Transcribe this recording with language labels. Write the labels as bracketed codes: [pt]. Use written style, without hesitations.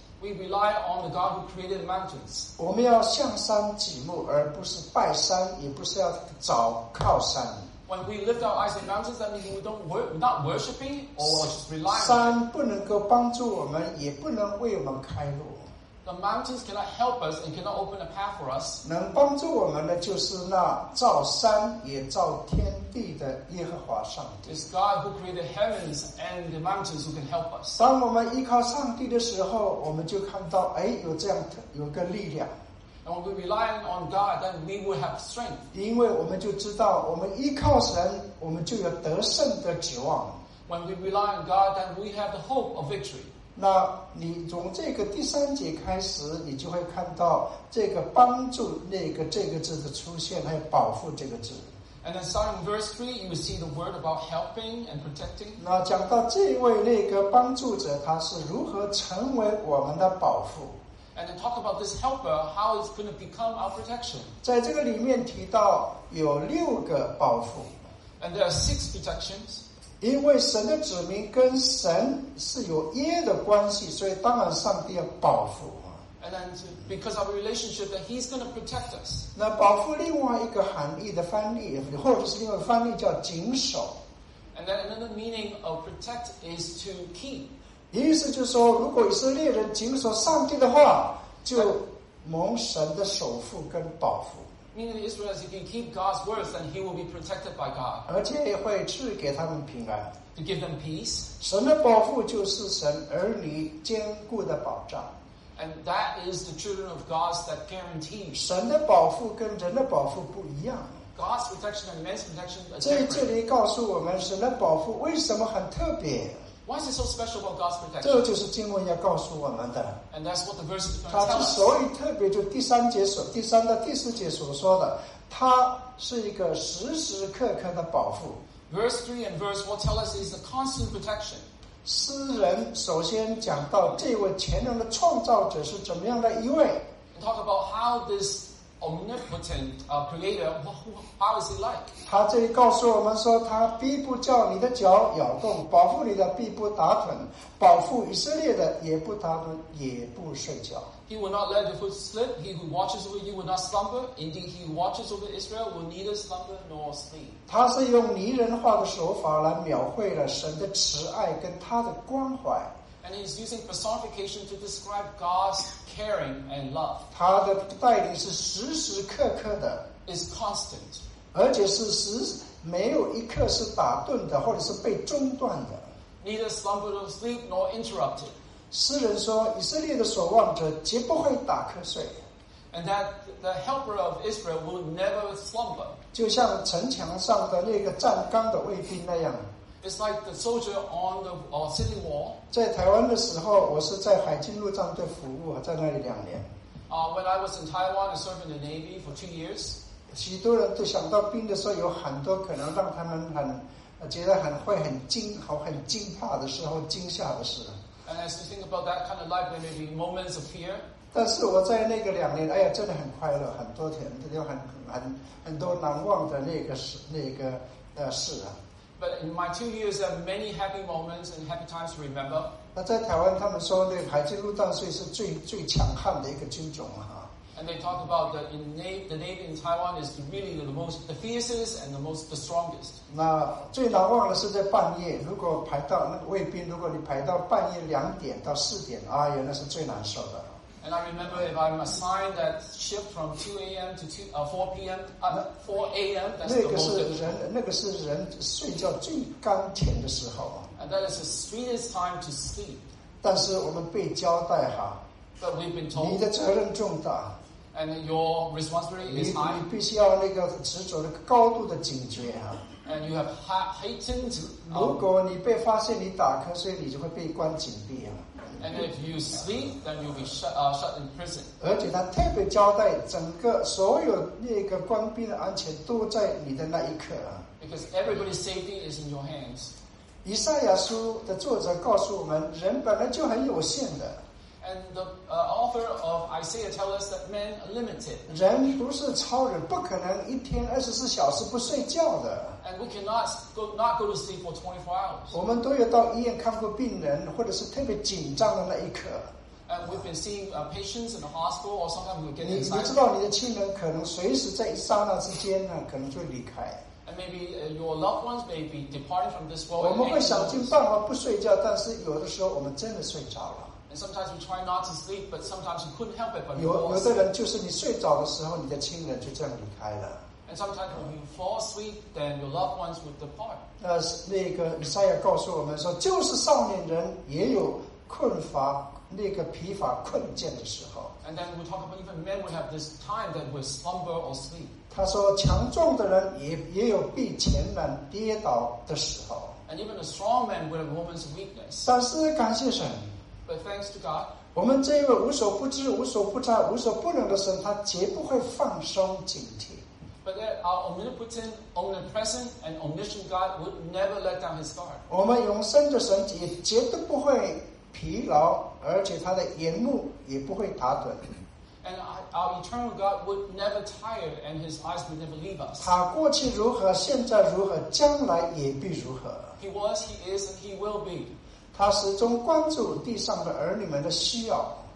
[en] we rely on the God who created the mountains. [zh] 我们要向山举目而不是拜山也不是要找靠山, [en] when we lift our eyes to the mountains, that means we don't not worshiping or just relying on, [zh] 山不能够帮助我们也不能为我们开路, [en] the mountains cannot help us and cannot open a path for us. [zh] 能帮助我们的就是那造山也造天地的耶和华上帝, [en] it's God who created heavens and the mountains who can help us. [zh] 当我们依靠上帝的时候, 我们就看到, 哎, 有这样的有个力量, [en] and when we rely on God, then we will have strength. [zh] 因为我们就知道, 我们依靠神, 我们就有得胜的指望, [en] when we rely on God, then we have the hope of victory. [zh] 那你从这个第三节开始, 你就会看到这个帮助那个这个字的出现, 还有保护这个字, [en] and then starting verse 3, you will see the word about helping and protecting. [zh] 那讲到这位那个帮助者, 他是如何成为我们的保护, [en] and then talk about this helper, how it's going to become our protection. [zh] 在这个里面提到有六个保护, [en] and there are six protections. [zh] 因为神的子民跟神是有约的关系，所以当然上帝要保护。 [en] And then because of a relationship that he's going to protect us. [zh] 那保护另外一个含义的翻译，或者是另外翻译叫谨守。 [en] And then another meaning of protect is to keep. [zh] 意思就是说，如果以色列人谨守上帝的话，就蒙神的守护跟保护。 [en] Meaning the Israelites, if you keep God's words, then he will be protected by God. [zh] 而且也会赐给他们平安。 [en] To give them peace. [zh] 神的保护就是神儿女坚固的保障。 [en] And that is the children of God's that guarantee. [zh] 神的保护跟人的保护不一样。 [en] God's protection and man's protection are different. [zh] 这里告诉我们神的保护为什么很特别。 [en] Why is it so special about God's protection? [zh] 这就是经文要告诉我们的。 [en] And that's what the verse is going to tell us. [zh] 他之所以特别就第三节所第三到第四节所说的他是一个时时刻刻的保护。 [en] Verse 3 and verse 4 tell us it's a constant protection. [zh] 诗人首先讲到这位全能的创造者是怎么样的一位。 [en] Talk about how this omnipotent creator, how is he like? [zh] 他这里告诉我们说，他必不叫你的脚摇动，保护你的必不打盹，保护以色列的也不打盹，也不睡觉。 [en] He will not let your foot slip. He who watches over you will not slumber. Indeed, he who watches over Israel will neither slumber nor sleep. [zh] 他是用拟人化的手法来描绘了神的慈爱跟他的关怀。 [en] And he is using personification to describe God's caring and love. [zh] 他的带领是时时刻刻的。 [en] Is constant. [zh] 而且是时没有一刻是打顿的，或者是被中断的。 [en] Neither slumber nor sleep nor interrupted. [zh] 诗人说以色列的守望者绝不会打瞌睡 [en] and that the helper of Israel will never slumber [zh] 就像城墙上的那个站岗的卫兵那样 [en] it's like the soldier on the city wall [zh] 在台湾的时候我是在海军陆战队服务在那里两年 [en] when I was in Taiwan I served in the Navy for 2 years [zh] 许多人都想到兵的时候有很多可能让他们很觉得很会很惊好很惊怕的时候惊吓的事 [en] And as you think about that kind of life, there may be moments of fear. [zh] 但是我在那个两年，哎呀，真的很快乐，很多天，有很多难忘的那个事啊。 [en] But in my 2 years, there are many happy moments and happy times to remember. [zh] 那在台湾，他们说那海军陆战队是最强悍的一个军种啊。 [en] And they talk about that in the Navy in Taiwan is really the fiercest and the strongest. [zh] 那最难忘的是在半夜，如果排到那个卫兵，如果你排到半夜两点到四点，哎呀，那是最难受的。 [en] And I remember if I'm assigned that shift from 2 a.m. to 4 p.m. 4 a.m. [zh] 那个是人睡觉最甘甜的时候。 [en] And that is the sweetest time to sleep. [zh] 但是我们被交代哈。 [en] But we've been told, [zh] 你的责任重大 [en] and your responsibility is high. [zh] 你必须要那个执着的高度的警觉啊 [en] and you have heightened. [zh] 如果你被发现你打瞌睡，你就会被关紧闭啊 [en] and if you sleep, then you'll be shut in prison. [zh] 而且他特别交代，整个所有那个官兵的安全都在你的那一刻啊 [en] because everybody's safety is in your hands. [zh] 以赛亚书的作者告诉我们，人本来就很有限的。 [en] And the author of Isaiah tells us that men are limited. [zh] 人不是超人，不可能一天24小时不睡觉的。 [en] And we cannot not go to sleep for 24 hours. [zh] 我们都有到医院看过病人，或者是特别紧张的那一刻。 [en] And we've been seeing patients in the hospital, or sometimes we get inside. [zh] 你知道你的亲人可能随时在一刹那之间呢，可能就离开。 [en] And maybe your loved ones may be departing from this world. [zh] 我们会想尽办法不睡觉，但是有的时候我们真的睡着了。 [en] And sometimes we try not to sleep, but sometimes we couldn't help it. But [zh] 有的人就是你睡着的时候，你的亲人就这样离开了。 [en] And sometimes when you fall asleep, then your loved ones would depart. [zh] 那个以赛亚告诉我们说，就是少年人也有困乏、那个疲乏、困倦的时候。 [en] And then we talk about even men would have this time that would slumber or sleep. [zh] 他说，强壮的人也有被艰难跌倒的时候。 [en] And even a strong man would have moments of weakness. [zh] 但是感谢神。 [en] But thanks to God, [zh] 我们这一位无所不知、无所不在、无所不能的神，他绝不会放松警惕。 [en] But that our omnipotent, omnipresent, and omniscient God would never let down His guard. [zh] 我们永生的神也绝对不会疲劳，而且他的眼目也不会打盹。 [en] And our eternal God would never tire, and His eyes would never leave us. [zh] 他过去如何，现在如何，将来也必如何。 [en] He was, He is, and He will be. [zh] 他始终关注地上的儿女们的需要。